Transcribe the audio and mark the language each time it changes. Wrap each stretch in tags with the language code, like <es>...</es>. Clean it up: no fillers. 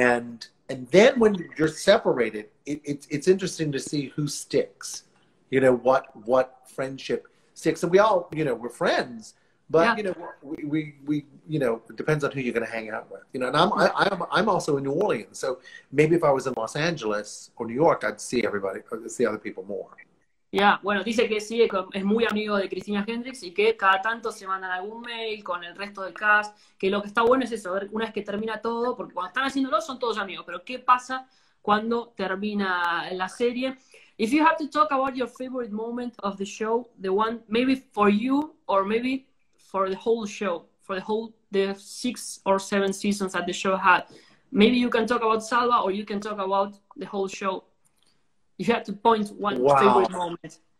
<en>And then when you're separated, it's interesting to see who sticks, you know, what friendship sticks. And we all, you know, we're friends, but yeah. You know, we you know, it depends on who you're going to hang out with, you know. And I'm also in New Orleans, so maybe if I was in Los Angeles or New York, I'd see everybody, see other people more.</en> <es>Yeah, bueno, dice que sí, es muy amigo de Cristina Hendricks y que cada tanto se mandan algún mail con el resto del cast, que lo que está bueno es eso, ver una vez que termina todo, porque cuando están haciéndolo son todos amigos, pero ¿qué pasa cuando termina la serie?</es> <en>If you have to talk about your favorite moment of the show, the one maybe for you or maybe for the whole show, for the whole, the 6 or 7 seasons that the show had, maybe you can talk about Salva or you can talk about the whole show. You have to point one favorite moment.</en>